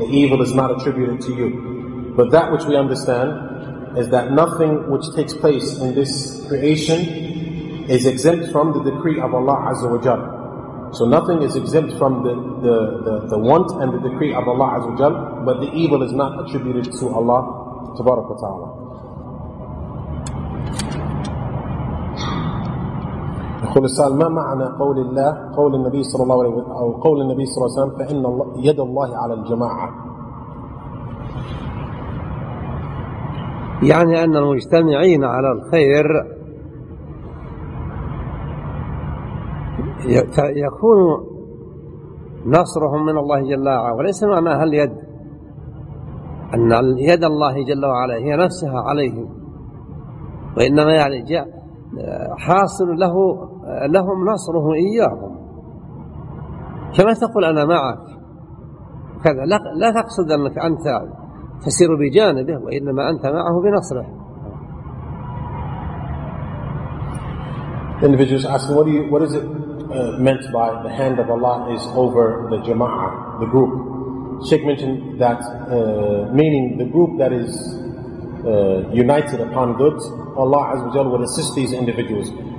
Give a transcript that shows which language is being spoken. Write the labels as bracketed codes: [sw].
[en] The evil is not attributed to you. But that which we understand is that nothing which takes place in this creation is exempt from the decree of Allah Azza wa Jalla. So nothing is exempt from the want and the decree of Allah Azza wa Jalla, but the evil is not attributed to Allah [ar] تبارك وتعالى. يقول السؤال ما معنى قول الله قول النبي صلى الله عليه وسلم أو قول النبي صلى الله عليه وسلم فإن يد الله على الجماعة؟ يعني أن المجتمعين على الخير يكون نصرهم من الله جل وعلا، وليس معناها اليد، أن يد الله جل وعلا هي نفسها عليهم، وإنما يعني جاء حاصل له لهم نصره إياهم، كما تقول أنا معك كذا، لا تقصد أنك أنت تسير بجانبه، وإنما أنت معه بنصره. [en] Individuals asking, what is it meant by the hand of Allah is over the jama'ah, the group? Sheikh mentioned that meaning the group that is united upon good, Allah Azza wa Jalla would assist these individuals.